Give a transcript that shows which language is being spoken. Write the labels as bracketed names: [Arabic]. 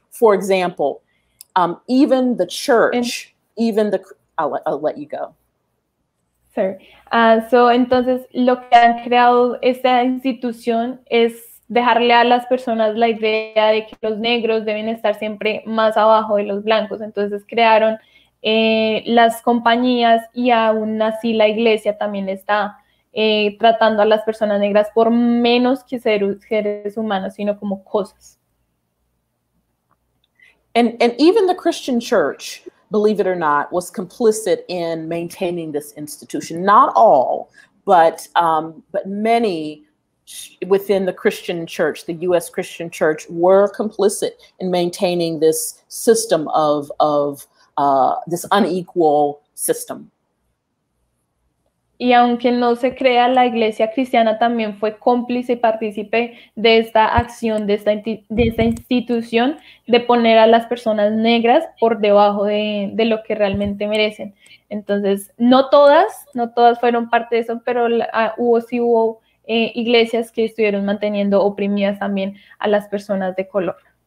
[English] For example, even the church, I'll let you go. [Spanish] Entonces lo que han creado esta institución es dejarle a las personas la idea de que los negros deben estar siempre más abajo de los blancos. Entonces crearon las compañías, y aún así la iglesia también está tratando a las personas negras por menos que seres humanos, sino como cosas. [English] And even the Christian church, believe it or not, was complicit in maintaining this institution. Not all, but many within the Christian church, the U.S. Christian church, were complicit in maintaining this system of this unequal system. [Spanish] Y aunque no se crea, la iglesia cristiana también fue cómplice y partícipe de esta acción, de esta institución, de poner a las personas negras por debajo de lo que realmente merecen. Entonces, no todas fueron parte de eso, pero hubo iglesias que estuvieron manteniendo oprimidas también a las personas de color.